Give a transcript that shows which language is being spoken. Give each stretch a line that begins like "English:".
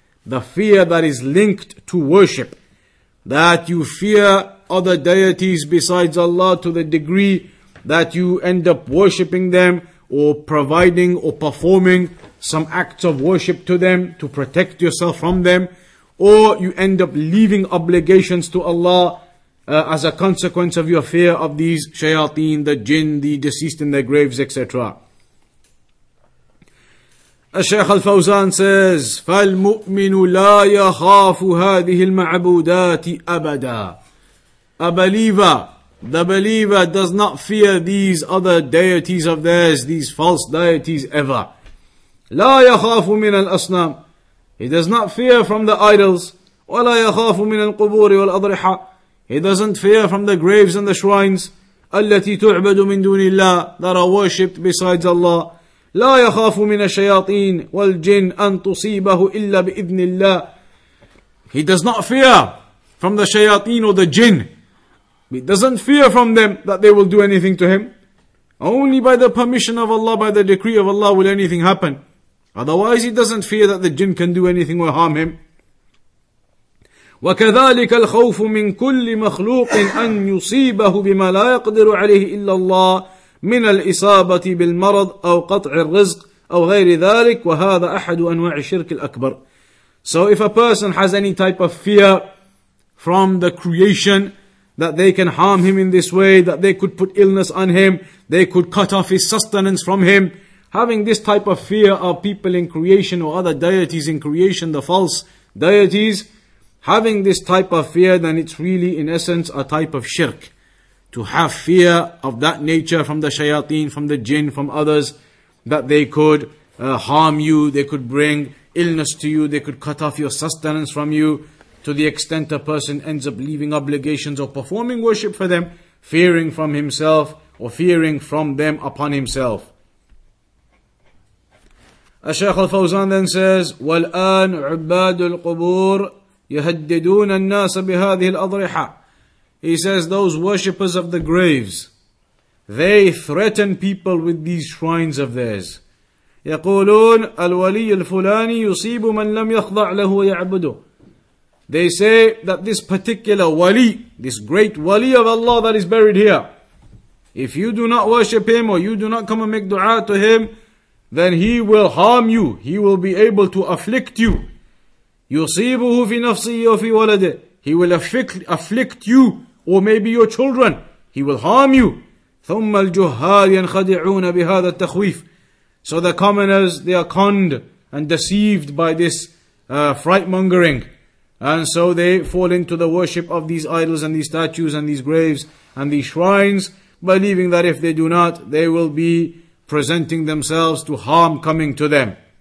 English: The fear that is linked to worship. That you fear other deities besides Allah to the degree that you end up worshipping them or providing or performing some acts of worship to them to protect yourself from them. Or you end up leaving obligations to Allah as a consequence of your fear of these shayateen, the jinn, the deceased in their graves, etc.
Arabic: الشيخ الفوزان
English: says,
Arabic: فالمؤمن لا يخاف هذه المعبودات أبدا.
English: A believer, the believer does not fear these other deities of theirs, these false deities ever.
Arabic: لا يخاف من الأصنام.
English: He does not fear from the idols.
Arabic: ولا يخاف من القبور والأضرحة.
English: He doesn't fear from the graves and the shrines.
Arabic: التي تعبد من دون الله.
English: That are worshipped besides Allah.
Arabic: لا يخاف من الشياطين والجن أن تصيبه إلا بإذن الله.
English: He does not fear from the shayateen or the jinn. He doesn't fear from them that they will do anything to him. Only by the permission of Allah, by the decree of Allah will anything happen. Otherwise he doesn't fear that the jinn can do anything or harm him.
Arabic: وكذلك الخوف من كل مخلوق أن يصيبه بما لا يقدر عليه إلا الله من الإصابة بالمرض أو قطع الرزق أو غير ذلك وهذا أحد أنواع الشرك الأكبر.
English: So if a person has any type of fear from the creation that they can harm him in this way, that they could put illness on him, they could cut off his sustenance from him, having this type of fear of people in creation or other deities in creation, the false deities, having this type of fear, then it's really in essence a type of shirk. To have fear of that nature from the shayateen, from the jinn, from others, that they could harm you, they could bring illness to you, they could cut off your sustenance from you, to the extent a person ends up leaving obligations or performing worship for them, fearing from himself or fearing from them upon himself.
Arabic: الشيخ الفوزان
English: then says,
Arabic: والآن عباد القبور يهددون الناس بهذه الأضرحة.
English: He says, those worshippers of the graves, they threaten people with these shrines of theirs.
Arabic: يقولون الولي الفلاني يصيب من لم يخضع له ويعبده.
English: They say that this particular wali, this great wali of Allah that is buried here, if you do not worship him or you do not come and make dua to him, then he will harm you. He will be able to afflict you.
Arabic: يصيبه في نفسه وفي ولده.
English: He will afflict you or maybe your children. He will harm you.
Arabic: ثم الجهال ينخدعون بهذا التخويف.
English: So the commoners, they are conned and deceived by this frightmongering. And so they fall into the worship of these idols and these statues and these graves and these shrines, believing that if they do not, they will be presenting themselves to harm coming to them.